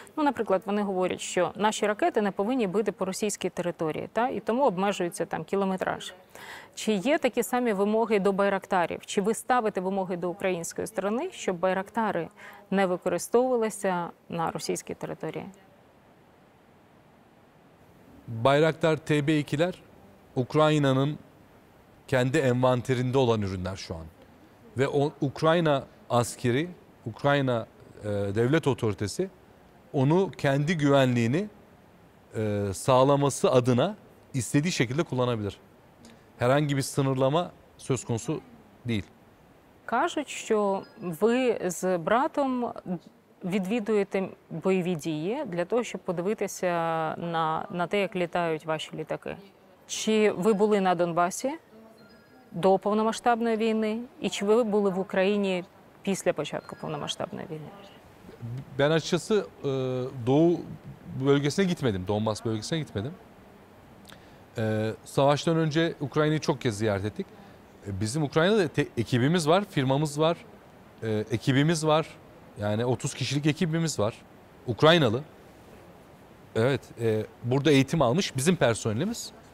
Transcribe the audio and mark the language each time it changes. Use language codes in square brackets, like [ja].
[uk] Ну, наприклад, вони говорять, що наші ракети не повинні бити по російській території, та? І тому обмежується там кілометраж. Чи є такі самі вимоги до байрактарів? Чи ви ставите вимоги до української сторони, щоб байрактари не використовувалися на російській території? [tr] Bayraktar TB2'ler Ukrayna'nın kendi envanterinde olan ürünler şu an. Ve Ukrayna askeri, Ukrayna devlet otoritesi onu kendi güvenliğini sağlaması adına istediği şekilde kullanabilir. Herhangi bir sınırlama söz konusu değil. [uk] Кажуть, що ви з братом відвідуєте бойові дії для того, щоб подивитися на те, як літають ваші літаки. Чи ви були на Донбасі до повномасштабної війни і чи ви були в Україні після початку повномасштабної війни? [tr] Ben açıkçası Doğu bölgesine gitmedim, Donbas bölgesine gitmedim. Savaştan önce Ukrayna'yı çok kez ziyaret ettik. Bizim Ukrayna'da ekibimiz var, firmamız var, ekibimiz var. Yani 30 kişilik ekibimiz var, Ukraynalı. Evet, burada eğitim almış bizim personelimiz.